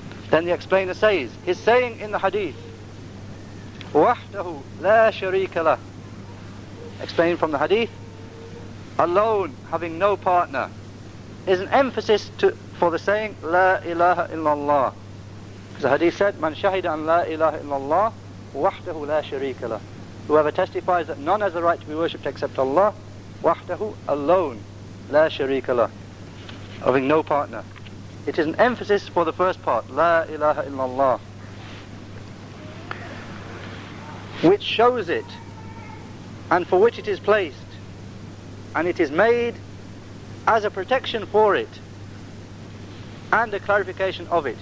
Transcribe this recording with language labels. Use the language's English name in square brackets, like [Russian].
[English] Then the explainer says, his saying in the hadith, [Arabic] وَحْدَهُ لَا شَرِيكَ لَهُ, [English] explained from the hadith, alone, having no partner, is an emphasis for the saying, [Arabic] لَا إِلَهَ إِلَّا اللَّهِ. [English] Because the hadith said, [Arabic] مَنْ شَهِدَ أَنْ لَا إِلَهَ إِلَّا اللَّهِ وَحْدَهُ لَا شَرِيكَ لَهُ. [English] Whoever testifies that none has the right to be worshipped except Allah, وَحْدَهُ, alone, [Arabic] لَا شَرِيكَ لَهُ, [English] having no partner. It is an emphasis for the first part, [Arabic] لَا إِلَهَ إِلَّا اللَّهِ, [English] which shows it, and for which it is placed, and it is made as a protection for it and a clarification of it.